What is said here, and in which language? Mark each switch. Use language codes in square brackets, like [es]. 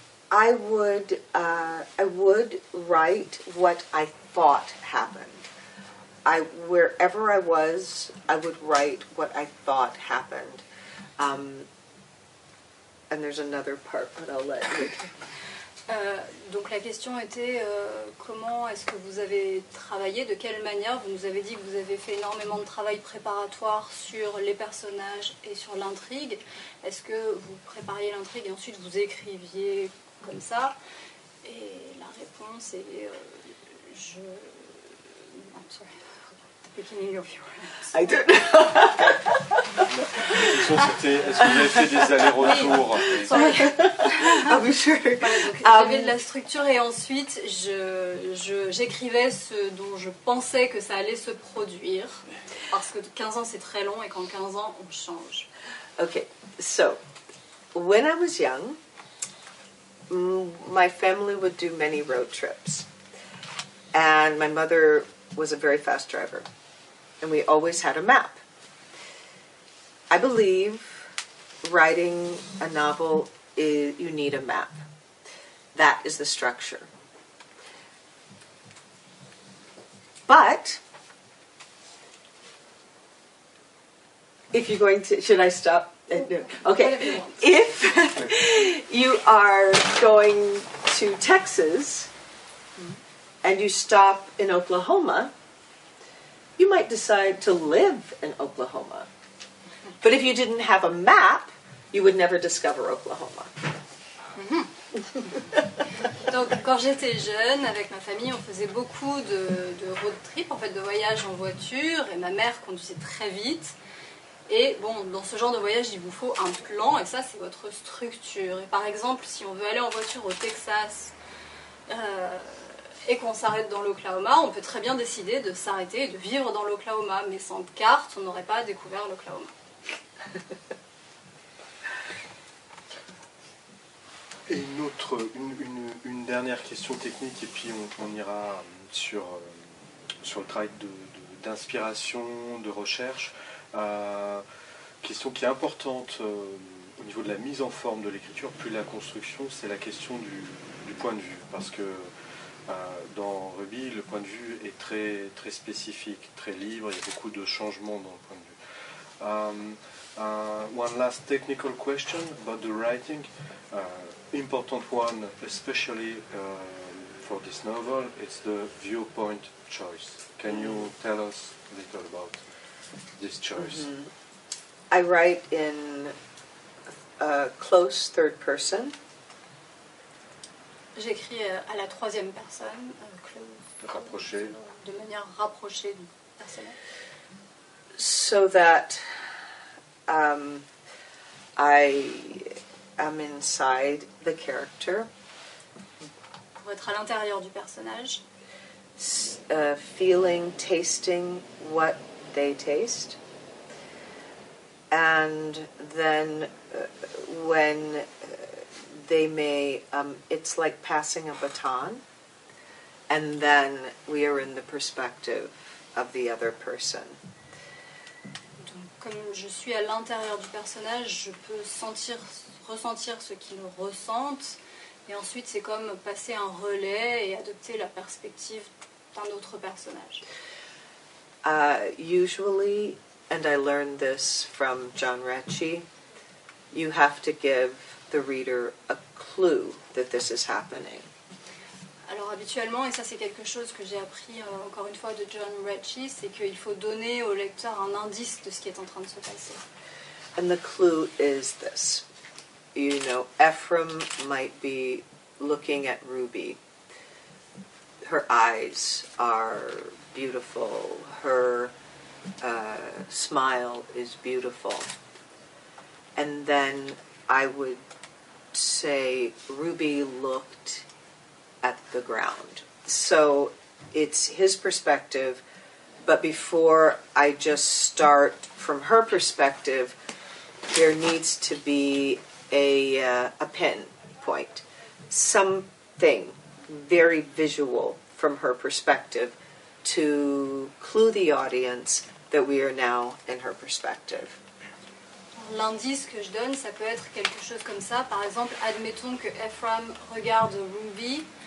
[en] But I would write what I thought happened. Wherever I was, I would write what I thought happened. And there's another part, but I'll let you. [fr] Donc la question était comment est-ce que vous avez travaillé, de quelle manière. Vous nous avez dit que vous avez fait énormément de travail préparatoire sur les personnages et sur l'intrigue. Est-ce que vous prépariez l'intrigue et ensuite vous écriviez comme ça? Et la réponse est [en] I'm sorry. I don't know. [fr] Est-ce que vous avez fait des allers-retours? [en] Sorry. I'm sure. [fr] Voilà, donc, j'avais de la structure et ensuite j'écrivais ce dont je pensais que ça allait se produire. Parce que 15 ans c'est très long et qu'en 15 ans on change. [en] Ok, so when I was young, my family would do many road trips. And my mother was a very fast driver. And we always had a map. I believe writing a novel, you need a map. That is the structure. But if you're going to... Should I stop? Okay. If you are going to Texas and you stop in Oklahoma, you might decide to live in Oklahoma. But if you didn't have a map, you would never discover Oklahoma. [fr] Donc, quand j'étais jeune, avec ma famille, on faisait beaucoup de road trip, en fait, de voyages en voiture, et ma mère conduisait très vite. Et bon, dans ce genre de voyage, il vous faut un plan, et ça, c'est votre structure. Et par exemple, si on veut aller en voiture au Texas, et qu'on s'arrête dans l'Oklahoma, on peut très bien décider de s'arrêter et de vivre dans l'Oklahoma, mais sans carte, on n'aurait pas découvert l'Oklahoma. Et une dernière question technique, et puis on ira sur le travail d'inspiration, de recherche. Question qui est importante au niveau de la mise en forme de l'écriture, plus la construction, c'est la question du point de vue, parce que dans Ruby, le point de vue est très, très spécifique, très libre. Il y a beaucoup de changements dans le point de vue. [en] One last technical question about the writing. Important one, especially for this novel, it's the viewpoint choice. Can you tell us a little about this choice? Mm-hmm. I write in a close third person. [fr] J'écris à la troisième personne, rapprochée, de manière rapprochée du personnage. [en] So that I am inside the character. [fr] Pour être à l'intérieur du personnage. [en] Feeling, tasting what they taste. And then when they may, it's like passing a baton. And then we are in the perspective of the other person. [fr] Donc, comme je suis à l'intérieur du personnage, je peux sentir, ressentir ce qu'il ressent. Et ensuite, c'est comme passer un relais et adopter la perspective d'un autre personnage. [en] Usually, and I learned this from John Ritchie, you have to give the reader a clue that this is happening. [fr] Alors habituellement, et ça c'est quelque chose que j'ai appris encore une fois de John Ritchie, c'est qu'il faut donner au lecteur un indice de ce qui est en train de se passer. [en] And the clue is this. You know, Ephraim might be looking at Ruby. Her eyes are beautiful. Her smile is beautiful. And then I would say Ruby looked at the ground. So it's his perspective, but before I just start from her perspective, there needs to be a pin point, something very visual from her perspective to clue the audience that we are now in her perspective. [fr] L'indice que je donne, ça peut être quelque chose comme ça. Par exemple, admettons que Ephraim regarde Ruby.